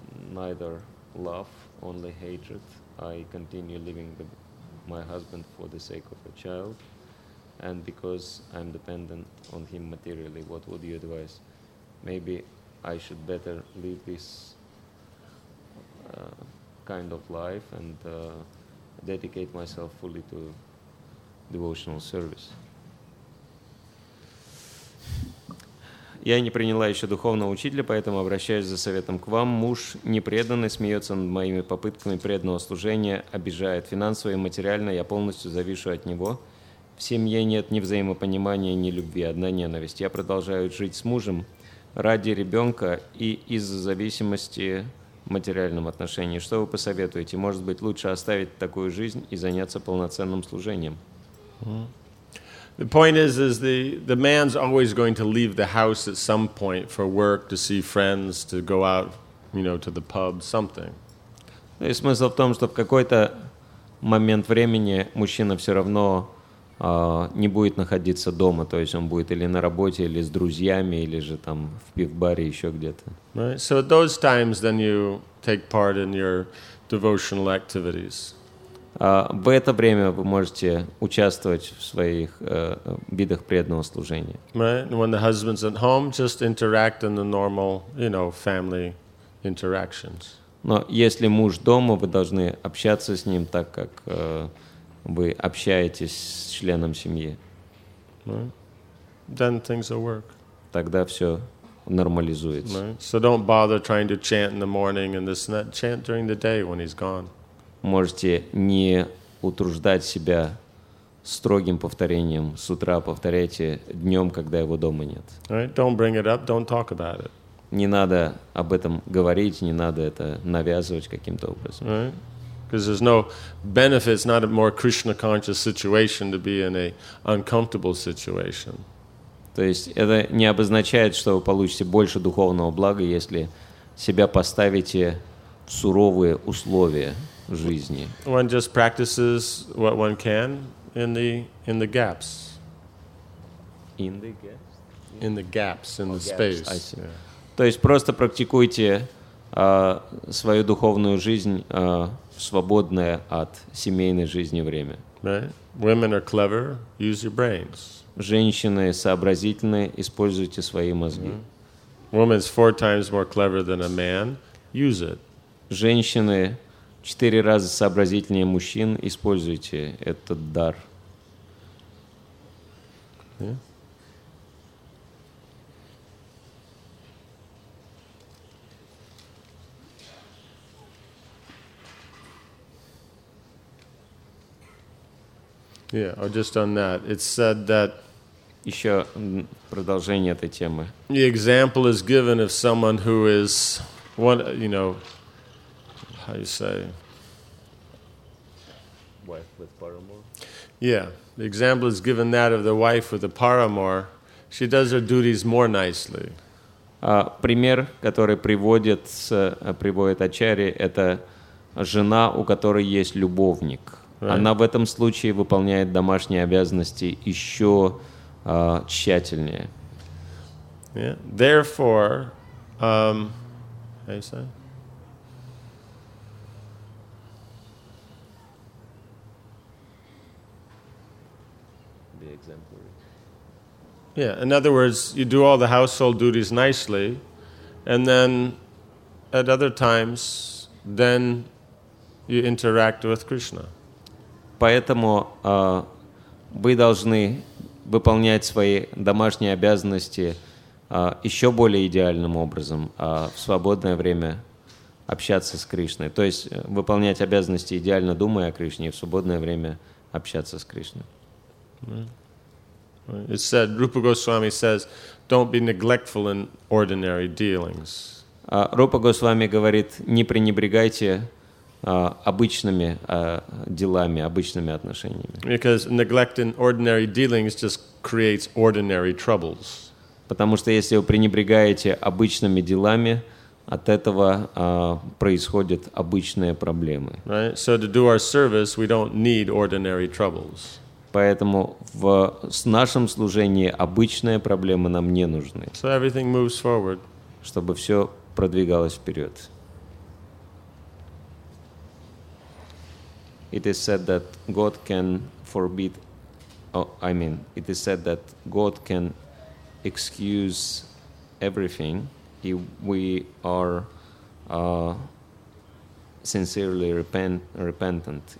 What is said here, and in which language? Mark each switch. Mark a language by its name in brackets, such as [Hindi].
[English] Neither love, only hatred. I continue living with my husband for the sake of a child, and because I'm dependent on him materially, what would you advise? Maybe I should better live this kind of life and dedicate myself fully to devotional service. [Russian] Я не приняла еще духовного учителя, поэтому обращаюсь за советом к вам. Муж непреданный, смеется над моими попытками преданного служения, обижает финансово и материально, я полностью завишу от него. В семье нет ни взаимопонимания, ни любви, одна ненависть. Я продолжаю жить с мужем ради ребенка и из-за зависимости в материальном отношении. Что вы посоветуете? Может быть, лучше оставить такую жизнь и заняться полноценным служением? [English] The point is the man's always going to leave the house at some point for work, to see friends, to go out, to the pub, something. [Russian] И смысл в том, что в какой-то момент времени мужчина все равно не будет находиться дома, то есть он будет или на работе, или с друзьями, или же там в пив-баре еще где-то. [English] Right. So at those times, then you take part in your devotional activities. [Russian] В это время вы можете участвовать в своих видах преданного служения. [English] Right. When the husband's at home, just interact in the normal, family interactions. [Russian] Но если муж дома, вы должны общаться с ним так, как вы общаетесь с членом семьи. [English] Right. Then things will work. [Russian] Тогда все нормализуется. [English] Right. So don't bother trying to chant in the morning and this and that. Chant during the day when he's gone. [Russian] Можете не утруждать себя строгим повторением с утра повторяйте днем, когда его дома нет. [English] Right. Don't bring it up, don't talk about it. [Russian] Не надо об этом говорить, не надо это навязывать каким-то образом. [English] Because there's no benefit, it's not a more Krishna-conscious situation to be in a uncomfortable situation. [Russian] То есть это не обозначает, что вы получите больше духовного блага, если себя поставите в суровые условия жизни. [English] One just practices what one can in the gaps. In the gaps? In the gaps, in the space. I see. Yeah. [Russian] То есть просто практикуйте свою духовную жизнь свободное от семейной жизни время. [English] Right. Women are clever. Use your brains. [Russian] Женщины сообразительные, используйте свои мозги. Mm-hmm. [English] Woman's four times more clever than a man. Use it. [Russian] Женщины 4 раза сообразительнее мужчин, используйте этот дар. [English] Yeah. Yeah, or just on that. It's said that. [Russian] Еще продолжение этой темы. [English] The example is given of someone who is, one, you know, how you say. Wife with paramour. Yeah, the example is given that of the wife with the paramour. She does her duties more nicely. [Russian] Пример, который приводит Ачарьи, это жена, у которой есть любовник. [English] Right. [Russian] Она в этом случае выполняет домашние обязанности еще тщательнее. [English] Yeah. Therefore, how you say? The exemplary. Yeah. In other words, you do all the household duties nicely, and then at other times, then you interact with Krishna. [Russian] Поэтому вы должны выполнять свои домашние обязанности еще более идеальным образом, а в свободное время общаться с Кришной. То есть выполнять обязанности, идеально думая о Кришне, и в свободное время общаться с Кришной. [English] It said, Rupa Goswami says, don't be neglectful in ordinary dealings. [Russian] Рупа Госвами говорит, не пренебрегайте обычными делами, обычными отношениями. [English] Because neglect in ordinary dealings just creates ordinary troubles. [Russian] Потому что если вы пренебрегаете обычными делами, от этого происходят обычные проблемы. [English] Right? So to do our service, we don't need ordinary troubles. [Russian] Поэтому в нашем служении обычные проблемы нам не нужны. [English] So everything moves forward. [Russian] Чтобы все продвигалось вперед. [English] It is said that God can forbid. Oh, I mean, it is said that God can excuse everything if we are sincerely repentant.